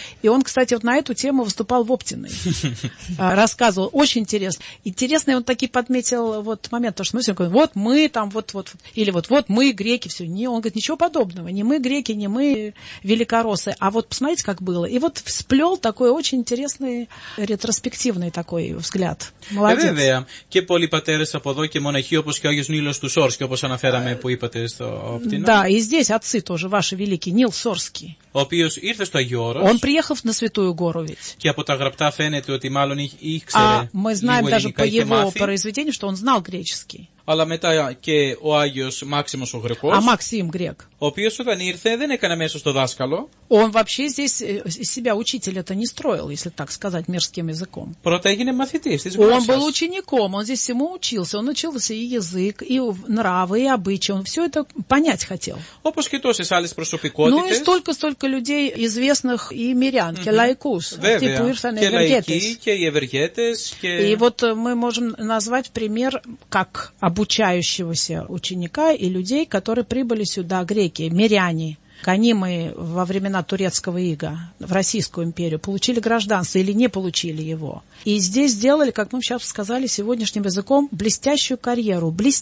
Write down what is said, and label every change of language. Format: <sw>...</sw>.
<ru>И он, кстати, вот на эту тему выступал в Оптиной. Рассказывал. Очень интересно. Интересный он таки подметил вот момент. Потому что мы все говорим, вот мы там, вот. Или вот мы греки. Все. Не, он говорит, ничего подобного. Не мы греки, не мы великороссы. А вот посмотрите, как было. И вот всплел такой очень интересный ретроспективный такой взгляд. Молодец.</ru> <el>Βέβαια, και πολλοί πατέρες από εδώ και μοναχοί, όπως και ο Άγιος Νίλος του Σόρσκι, όπως αναφέραμε που είπατε στο Όπτινο.</el> <ru>Да, и здесь отцы тоже, ваши великие, Нил Сорский.</ru> <el>Ο οποίος ήρθε στο Άγιο Όρος.</el> <ru>Он приехал на Святую Гору ведь.</ru> <el>Και από τα γραπτά φαίνεται ότι μάλλον ήξερε.</el> <ru>А мы знаем даже по его произведению, что он знал греческий.</ru> <el>Αλλά μετά και ο Άγιος Μάξιμος ο Γρεκός.</el> <ru>А Максим грек.</ru> <el>Ο οποίος όταν ήρθε δεν έκανε μέσα στο δάσκαλο.</el> <ru>Он вообще здесь из себя учителя-то не строил, если так сказать, мирским языком.</ru> <el>Πρώτα έγινε μαθητής.</el> <ru>Он был учеником, он здесь всему учился. Он учился и язык, и нравы, и обычаи. Он все это понять хотел.</ru> <el>Όπως και τόσες άλλες προσωπικότητες.</el> <ru>Ну и столько-столько людей известных и мирян, mm-hmm.</ru> <el>και лаϊκούς. Βέβαια, και лаϊκοί, και οι ευεργέτες.</el> <ru>И вот мы можем назвать пример, как обучающегося ученика и людей, которые прибыли сюда, греки, миряне. Гонимые во времена турецкого ига в Российскую империю, получили гражданство или не получили его. И здесь сделали, как мы сейчас сказали сегодняшним языком, блестящую карьеру.</ru>